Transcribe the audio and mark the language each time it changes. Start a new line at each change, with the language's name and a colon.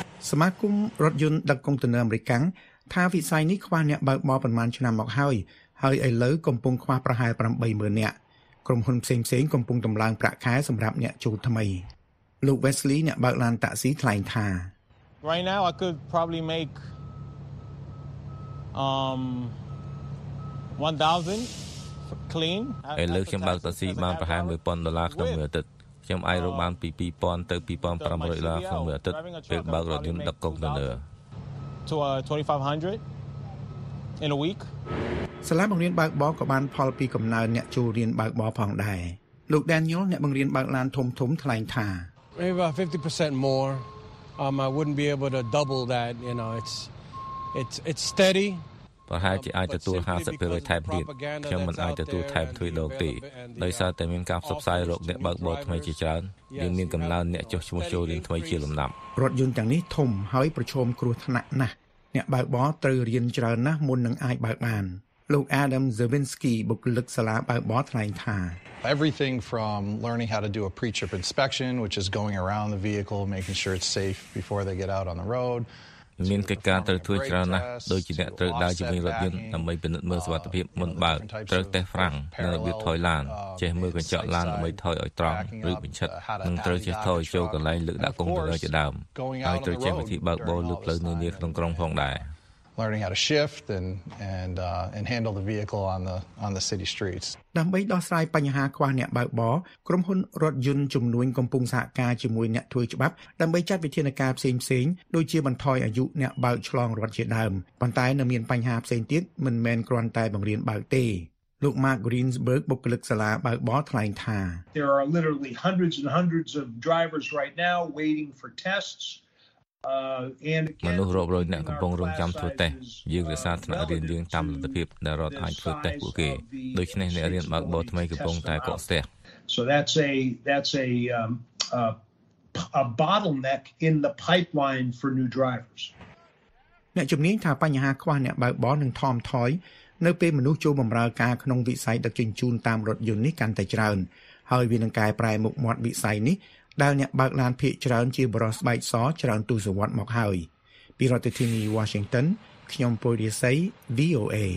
Khmer: សមាគមរថយន្តដឹកកុងតឺន័រអាមេរិកាំងថាវិស័យនេះខ្វះអ្នកបើកបរប្រមាណឆ្នាំមកហើយហើយឥឡូវកំពុងខ្វះប្រហែល 80,000 នាក់ក្រុមហ៊ុនផ្សេងៗកំពុងតម្លើងប្រាក់ខែសម្រាប់អ្នកចូលថ្មីលោក Wesley អ្នកបើកឡានតាក់ស៊ីថ្លែងថា
English: Right now I could probably make $1,000
Khmer: ឥឡូវខ្ញុំបើកតាក់ស៊ីបានប្រហែល $1,000 ក្នុងមួយអាទិត្យខ្ញុំអាចរកបានពី2000ទៅ2500ដុល្លារក្នុងមួយអាទិត្យពេលបើករថយន្តដឹកកុងតឺន័រ
English: $2,500 in a week
Khmer: សាលាបង្រៀនបើកបរក៏បានផលពីកំណើនអ្នកចូលរៀនបើកបរផងដែរលោក Daniel អ្នកបង្រៀនបើកឡានធំធំថ្លែងថា
English: Maybe about 50% more I wouldn't be able to double that you know it's steady
Khmer: ប្រហែលជាអាចទទួល 50% ថែមទៀតខ្ញុំមិនអាចទទួលថែមទ្វេដងទេដោយសារតែមានការផ្សព្វផ្សាយរោគអ្នកបើកបរថ្មីជាច្រើនយើងមានកំណើនអ្នកចុះឈ្មោះចូលរៀនថ្មីជាលំដាប់រថយន្តទាំងនេះធំហើយប្រឈមគ្រោះថ្នាក់ណាស់អ្នកបើកបរត្រូវរៀនច្រើនណាស់មុននឹងអាចបើកបានលោក Adam Zawinski បុគ្គលិកសាលាបើកបរថ្លែងថា
English: Everything from learning how to do a pre-trip inspection which is going around the vehicle making sure it's safe before they get out on the road
Khmer: មានកិច្ចការត្រូវធ្វើច្រើនណាស់ដូចជាអ្នកត្រូវដើរជាមួយរថយន្តដើម្បីពិនិត្យមើលសុវត្ថិភាពមុនបើកត្រូវតេស្តហ្វ្រាំងនៅរបៀបថយឡានចេះមើលកញ្ចក់ឡានដើម្បីថយឲ្យត្រង់ឬបញ្ឆិតនិងត្រូវចេះថយចូលកន្លែងលើកដាក់កុងតឺន័រជាដើមហើយត្រូវចេះវិធីបើកបរលើផ្លូវនានាក្នុងក្រុងផងដែរ
English: Learning how to shift and handle the vehicle on the city streets
Khmer: ដើម្បីដោះស្រាយបញ្ហាខ្វះអ្នកបើកបរក្រុមហ៊ុនរថយន្តជំនួញកំពុងសហការជាមួយអ្នកធ្វើច្បាប់ដើម្បីចាត់វិធានការផ្សេងផ្សេងដូចជាបន្ថយអាយុអ្នកបើកឆ្លងរដ្ឋជាដើមប៉ុន្តែនៅមានបញ្ហាផ្សេងទៀតមិនមែនគ្រាន់តែបង្រៀនបើកទេលោក Mark Greensburg បុគ្គលិកសាលាបើកបរថ្លែងថា
English: There are literally hundreds and hundreds of drivers right now waiting for tests
Khmer: មនុស្សរាប់រយអ្នកកំពុងរង់ចាំធ្វើតេស្តយើងរសារថ្នាក់រៀនយើងតាមលទ្ធភាពដែលរដ្ឋអាចធ្វើតេស្តពួកគេដូច្នេះអ្នករៀនបើកបរថ្មីកំពុងតែកកស្ទះ
English: So that's a bottleneck in the pipeline for new drivers
Khmer: អ្នកជំនាញថាបញ្ហាខ្វះអ្នកបើកបរនឹងថមថយនៅពេលមនុស្សចូលបម្រើការក្នុងវិស័យដឹកជញ្ជូនតាមរថយន្តនេះកាន់តែច្រើនហើយវានឹងកែប្រែមុខមាត់វិស័យនេះដែលអ្នកបើកឡានភាគច្រើនជាបរិសស្បែកសច្រើនទូសវត្តមកហើយពីរដ្ឋធានី Washington ខ្ញុំពុរិស័យ VOA